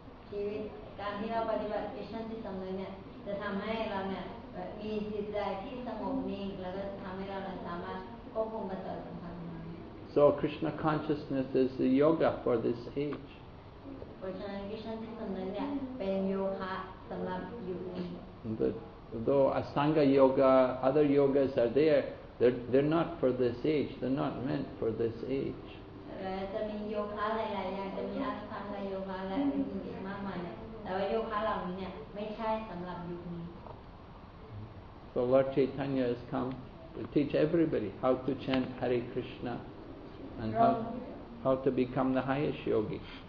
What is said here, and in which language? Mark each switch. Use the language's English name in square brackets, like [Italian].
[Thai] ชีวิตการที่เราปฏิบัติ Krishna consciousness เนี่ยจะทำให้เราเนี่ยมีจิตใจที่สงบนิ่งแล้วก็ทำให้เราสามารถควบคุมกระแสสัมพันธ์ได้ [English] So Krishna consciousness is the yoga for this age. [Thai] เพราะฉะนั้น Krishna consciousness เป็นโยคะสำหรับยุคนี้ [English] But though Ashtanga yoga, other yogas are there, they're not for this age. They're not meant for this age. [Thai] จะมีโยคะหลายๆอย่างจะมี Ashtanga yoga และอื่นๆมากมายแต่ว่าโยคะเหล่านี้เนี่ยไม่ใช่สำหรับยุคนี้ [English] So Lord Chaitanya has come to teach everybody how to chant Hare Krishna and how to become the highest yogi.